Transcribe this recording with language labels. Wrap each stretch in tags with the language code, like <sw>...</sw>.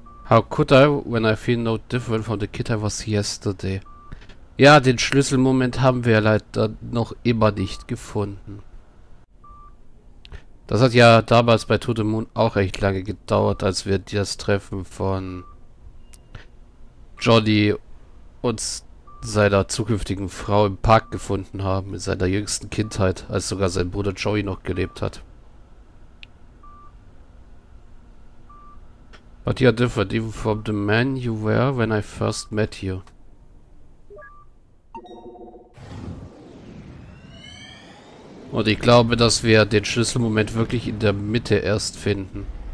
<en>How could I, when I feel no different from the kid I was yesterday?</en> <de>Ja, den Schlüsselmoment haben wir leider noch immer nicht gefunden. Das hat ja damals bei To the Moon auch echt lange gedauert, als wir das Treffen von Johnny und seiner zukünftigen Frau im Park gefunden haben, in seiner jüngsten Kindheit, als sogar sein Bruder Joey noch gelebt hat.</de> <en>But you're different, even from the man you were when I first met you.</en> <de>Und ich glaube, dass wir den Schlüsselmoment wirklich in der Mitte erst finden.</de>